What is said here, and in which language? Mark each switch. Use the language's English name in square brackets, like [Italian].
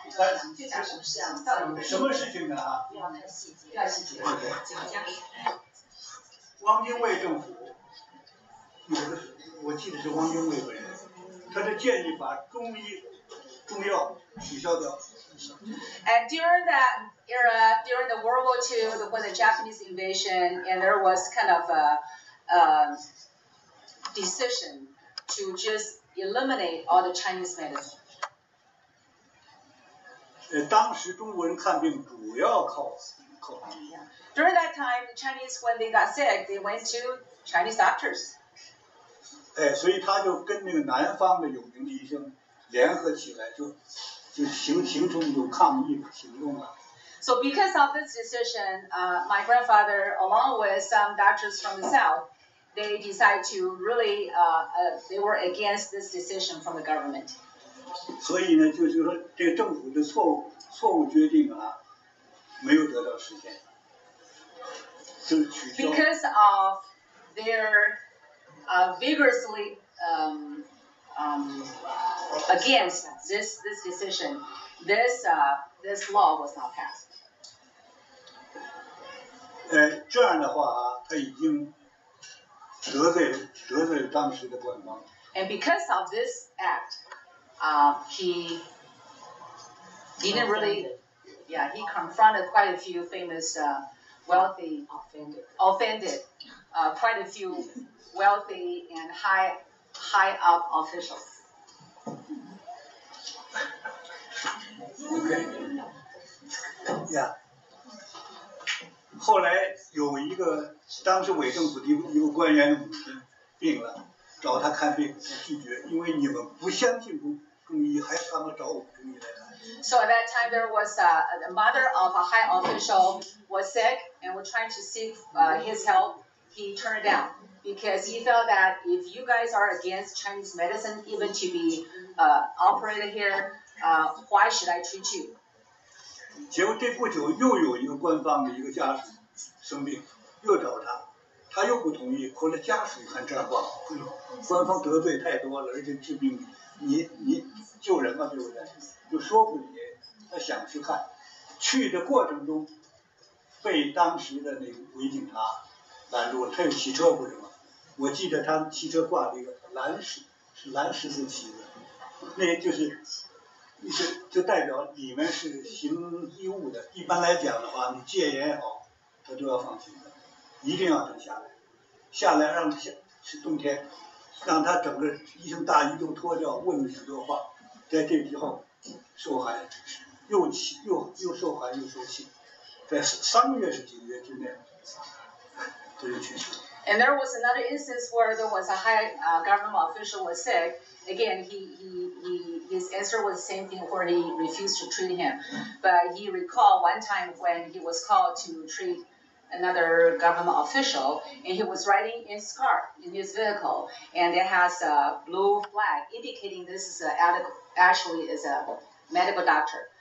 [Chinese] 就讲什么事情呢？不要太细节，不要细节，讲讲。汪精卫政府，我记得是汪精卫本人，他是建议把中医中药取消掉。 [English] And during that era, during the World War II, when the Japanese invasion, and there was kind of a decision to just eliminate all the Chinese medicine. [Chinese] 当时中国人看病主要靠 [English] During that time, the Chinese, when they got sick, they went to Chinese doctors. [Chinese] 所以他就跟那个南方的有名的医生联合起来，就形成一种抗疫行动了。 [English] So because of this decision, my grandfather, along with some doctors from the south, they decide to really, they were against this decision from the government. [Chinese] 所以呢，就是说这个政府的错误决定啊，没有得到实现，就取消。 [English] Because of their vigorously against this decision, this law was not passed. [Chinese] 这样的话啊，他已经得罪了当时的官方。 [English] And because of this act, he didn't really, yeah, he confronted quite a few famous wealthy offended, quite a few wealthy and high up officials. Okay. Yeah. [Chinese] 后来有一个当时伪政府的一个官员的母亲病了，找他看病，他拒绝，因为你们不相信中医，还他们找我们中医来看。 [English] So at that time there was a mother of a high official was sick and was trying to seek his help. He turned it down because he felt that if you guys are against Chinese medicine even to be operated here, why should I treat you? [Chinese] 结果这不久又有一个官方的一个家属生病，又找他，他又不同意。后来家属看这样不好，官方得罪太多了，而且治病你救人嘛，对不对？就说服你，他想去看。去的过程中被当时的那个伪警察拦住了。他有骑车不是吗？我记得他骑车挂了一个蓝十字旗子，那就是。就代表里面是行医务的，一般来讲的话，你戒严也好，他都要放行的，一定要等下来让他是冬天，让他整个医生大衣都脱掉，问了很多话，在这之后受寒又受寒又受气，在三个月是几个月之内，这就去世了。 [English] And there was another instance where there was a high government official was sick. Again, his answer was the same thing where he refused to treat him. But he recalled one time when he was called to treat another government official, and he was riding in his car, in his vehicle, and it has a blue flag indicating this is actually is a medical doctor.